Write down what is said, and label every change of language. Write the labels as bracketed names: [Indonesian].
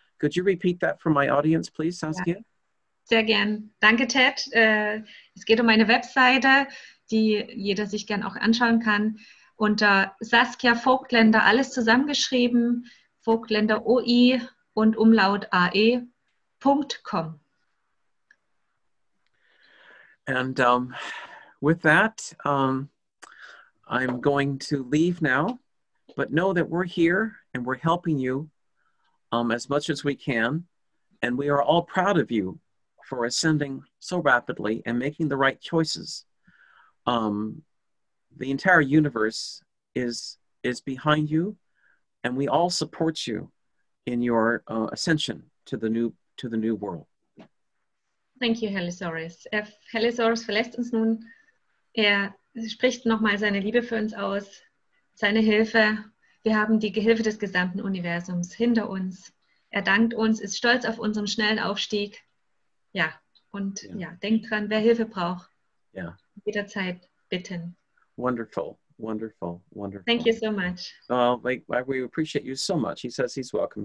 [English] Could you repeat that for my audience, please, Saskia? [German] Sehr gern. Danke, Ted. Es geht um meine Webseite. die jeder sich gern auch anschauen kann, unter Saskia Vogtländer, alles zusammengeschrieben, Vogtländer OI und Umlaut AE.com. [English] And with that, I'm going to leave now, but know that we're here and we're helping you as much as we can. And we are all proud of you for ascending so rapidly and making the right choices. The entire universe is behind you, and we all support you in your ascension to the new world. Thank you, [German] Helisaurus. Helisaurus verlässt uns nun. Er spricht nochmal seine Liebe für uns aus, seine Hilfe. Wir haben die Hilfe des gesamten Universums hinter uns. Er dankt uns, ist stolz auf unseren schnellen Aufstieg. Ja, und ja, denkt dran, wer Hilfe braucht, jederzeit bitten. [English] Wonderful, wonderful, wonderful. Thank you so much. We appreciate you so much. He says he's welcome.